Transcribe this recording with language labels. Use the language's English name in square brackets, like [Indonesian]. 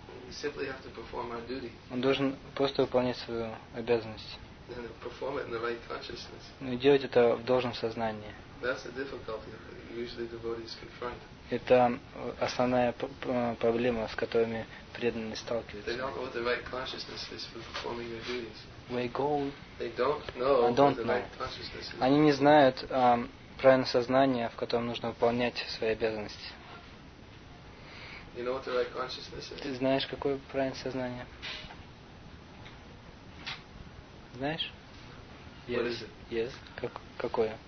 [English] Simply have to perform our duty. [Russian] Он должен просто выполнять свою обязанность. [English] And perform it in the right consciousness. [Russian] Ну, делать это в должном сознании. [English] That's the difficulty usually devotees confront. [Russian] Это основная проблема, с которыми преданные сталкиваются. [English] They don't know what the right consciousness is for performing their duties. They go. They don't know what the right consciousness is. [Russian] Они не знают правильное сознание, в котором нужно выполнять свои обязанности. [English] You know what the right consciousness is? [Russian] Ты знаешь, какое правильное сознание? Знаешь? [English] Yes. What is it? Yes. [Russian] Какое?